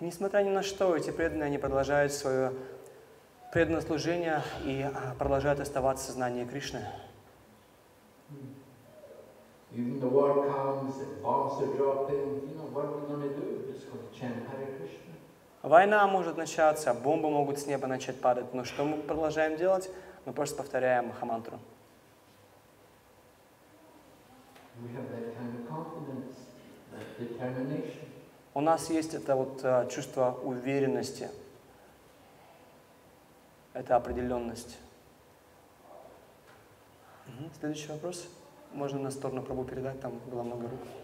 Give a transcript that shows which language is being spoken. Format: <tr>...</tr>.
<ru>Несмотря ни на что, эти преданные, они продолжают свое преданное служение и продолжают оставаться в сознании Кришны.</ru> <en>Even the war comes and bombs are dropping, you know, what are we going to do? Just going to chant Hare Krishna.</en> <ru>Война может начаться, бомбы могут с неба начать падать, но что мы продолжаем делать? Мы просто повторяем Махамантру.</ru> <en>We have that kind of confidence, that determination.</en> <ru>У нас есть это вот чувство уверенности. Это определенность. Следующий вопрос. Можно на сторону пробу передать, там было много рук.</ru>